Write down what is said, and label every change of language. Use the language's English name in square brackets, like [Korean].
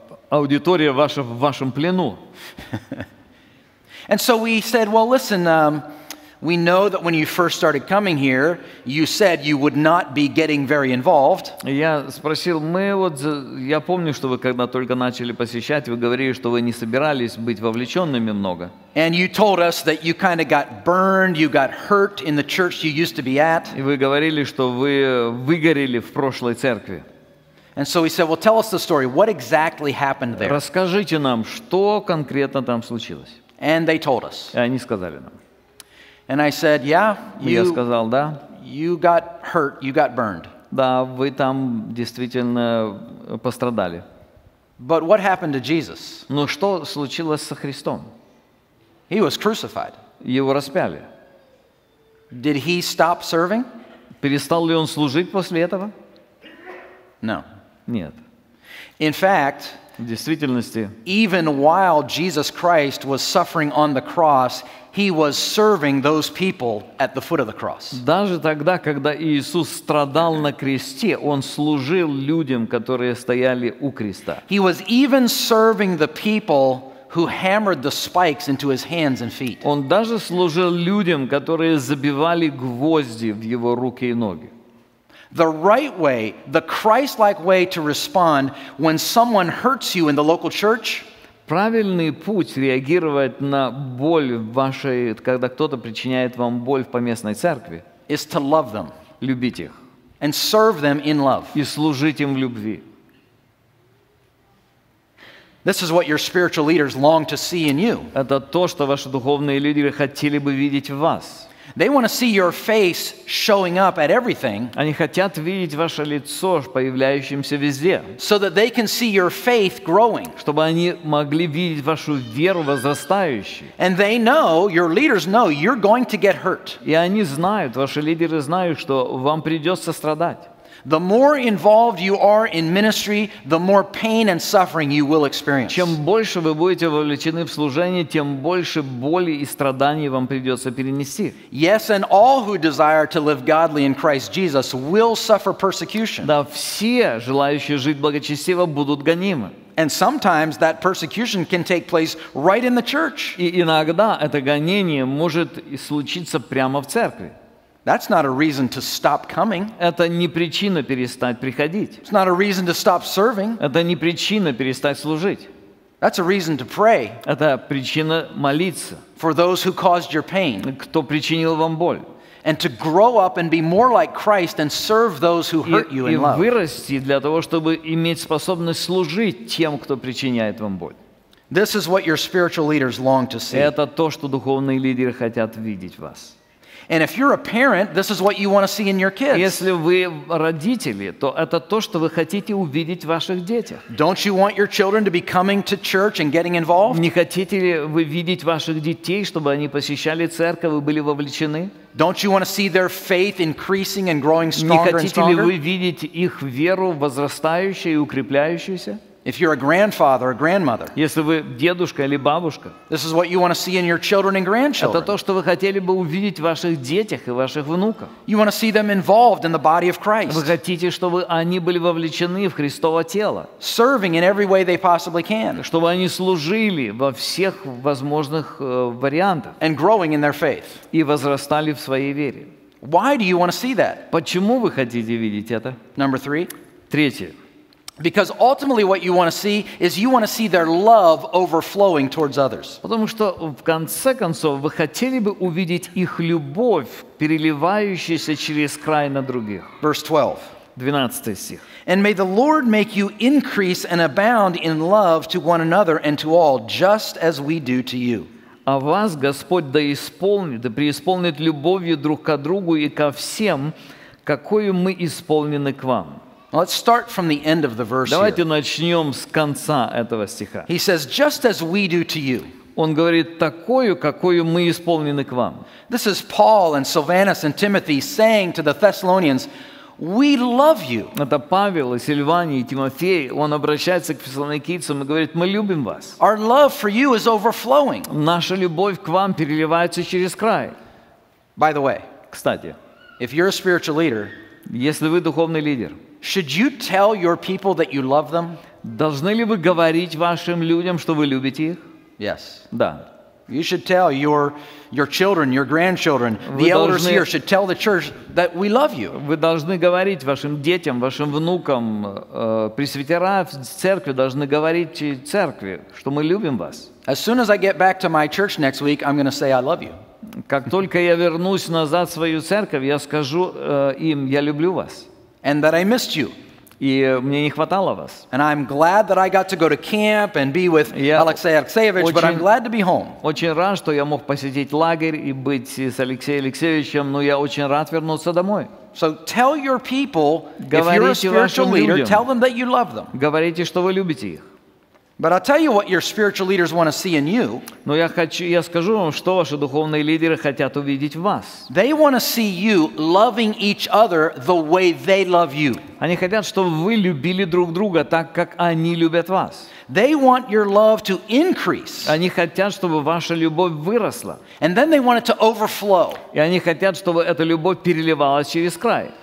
[Russian] Аудитория ваша в вашем плену. [English] And so we said, well, listen, we know that when you first started coming here, you said you would not be getting very involved. [Russian] Я спросил, мы вот, я помню, что вы когда только начали посещать, вы говорили, что вы не собирались быть вовлеченными много. [English] And you told us that you kind of got burned, you got hurt in the church you used to be at. [Russian] И вы говорили, что вы выгорели в прошлой церкви. [English] And so we said, well, tell us the story. What exactly happened there? [Russian] Расскажите нам, что конкретно там случилось. [English] And they told us. [Russian] И они сказали нам. [English] And I said, yeah, [Russian] я сказал, да. [English] You got hurt, you got burned. [Russian] Да, вы там действительно пострадали. [English] But what happened to Jesus? [Russian] Но что случилось со Христом? [English] He was crucified. [Russian] Его распяли. [English] Did he stop serving? [Russian] Перестал ли он служить после этого? [English] No. [Russian] Нет. [English] In fact, [Russian] в действительности, [English] even while Jesus Christ was suffering on the cross, he was serving those people at the foot of the cross. [Russian] Даже тогда, когда Иисус страдал на кресте, он служил людям, которые стояли у креста. [English] He was even serving the people who hammered the spikes into his hands and feet. [Russian] Он даже служил людям, которые забивали гвозди в его руки и ноги. [English] The right way, the Christ-like way to respond when someone hurts you in the local church. [Russian] Правильный путь реагировать на боль в вашей, когда кто-то причиняет вам боль в поместной церкви. [English] Is to love them. [Russian] Любить их. [English] And serve them in love. [Russian] И служить им в любви. [English] This is what your spiritual leaders long to see in you. [Russian] Это то, что ваши духовные лидеры хотели бы видеть в вас. [English] They want to see your face showing up at everything. [Russian] Они хотят видеть ваше лицо появляющимся везде. [English] So that they can see your faith growing. [Russian] Чтобы они могли видеть вашу веру возрастающей. [English] And they know, your leaders know, you're going to get hurt. [Russian] И они знают, ваши лидеры знают, что вам придется страдать. [English] The more involved you are in ministry, the more pain and suffering you will experience. [Russian] Чем больше вы будете вовлечены в служение, тем больше боли и страданий вам придется перенести. [English] Yes, and all who desire to live godly in Christ Jesus will suffer persecution. [Russian] Да, все желающие жить благочестиво будут гонимы. [English] And sometimes that persecution can take place right in the church. [Russian] И иногда это гонение может случиться прямо в церкви. [English] That's not a reason to stop coming. [Russian] Это не причина перестать приходить. [English] It's not a reason to stop serving. [Russian] Это не причина перестать служить. [English] That's a reason to pray. [Russian] Это причина молиться. [English] For those who caused your pain. [Russian] Кто причинил вам боль. [English] And to grow up and be more like Christ and serve those who hurt you in love. [Russian] И вырасти для того, чтобы иметь способность служить тем, кто причиняет вам боль. [English] This is what your spiritual leaders long to see. [Russian] Это то, что духовные лидеры хотят видеть в вас. [English] And if you're a parent, this is what you want to see in your kids. [Russian] Если вы родители, то это то, что вы хотите увидеть в ваших детях. [English] Don't you want your children to be coming to church and getting involved? [Russian] Не хотите ли вы видеть ваших детей, чтобы они посещали церковь и были вовлечены? [English] Don't you want to see their faith increasing and growing stronger and stronger? [Russian] Не хотите ли вы видеть их веру возрастающей и укрепляющейся? [English] If you're a grandfather or a grandmother, [Russian] если вы дедушка или бабушка, [English] this is what you want to see in your children and grandchildren. [Russian] Это то, что вы хотели бы увидеть в ваших детях и ваших внуках. [English] You want to see them involved in the body of Christ. [Russian] Вы хотите, чтобы они были вовлечены в Христово тело. [English] Serving in every way they possibly can. [Russian] Чтобы они служили во всех возможных вариантах. [English] And growing in their faith. [Russian] И возрастали в своей вере. [English] Why do you want to see that? [Russian] Почему вы хотите видеть это? [English] Number three. [Russian] Третье. [English] Because ultimately what you want to see is you want to see their love overflowing towards others. [Russian] Потому что в конце концов вы хотели бы увидеть их любовь, переливающуюся через край на других. [English] Verse 12. [Russian] 12 стих. [English] And may the Lord make you increase and abound in love to one another and to all, just as we do to you. [Russian] А вас Господь да исполнит, да преисполнит любовью друг к другу и ко всем, какую мы исполнены к вам. [English] Let's start from the end of the verse. [Russian] Давайте [English] here. [Russian] Начнем с конца этого стиха. [English] He says, "Just as we do to you." [Russian] Он говорит такую, какую мы исполнены к вам. [English] This is Paul and Silvanus and Timothy saying to the Thessalonians, "We love you." [Russian] Это Павел и Сильвани и Тимофей. Он обращается к фессалоникийцам и говорит, мы любим вас. [English] Our love for you is overflowing. [Russian] Наша любовь к вам переливается через край. [English] By the way, [Russian] кстати, [English] if you're a spiritual leader, [Russian] если вы духовный лидер. [English] Should you tell your people that you love them? [Russian] Должны ли вы говорить вашим людям, что вы любите их? [English] Yes. [Russian] Да. [English] You should tell your children, your grandchildren, the elders here should tell the church that we love you. [Russian] Вы должны говорить вашим детям, вашим внукам, пресвитера в церкви должны говорить церкви, что мы любим вас. [English] As soon as I get back to my church next week, I'm going to say I love you. [Russian] Как только я вернусь назад в свою церковь, я скажу им, я люблю вас. [English] And that I missed you. [Russian] И мне не хватало вас. [English] And I'm glad that I got to go to camp and be with Alexey Alexeyevich, but I'm glad to be home. [Russian] Очень рад, что я мог посетить лагерь и быть с Алексеем Алексеевичем, но я очень рад вернуться домой. [English] So tell your people, if you're a spiritual leader, tell them that you love them. [Russian] Говорите, что вы любите их. [English] But I'll tell you what your spiritual leaders want to see in you. [Russian] Но я скажу вам, что ваши духовные лидеры хотят увидеть в вас. [English] They want to see you loving each other the way they love you. [Russian] Они хотят, чтобы вы любили друг друга так, как они любят вас. [English] They want your love to increase. [Russian] Они хотят, чтобы ваша любовь выросла. [English] And then they want it to overflow. [Russian] И они хотят, чтобы эта любовь переливалась через край.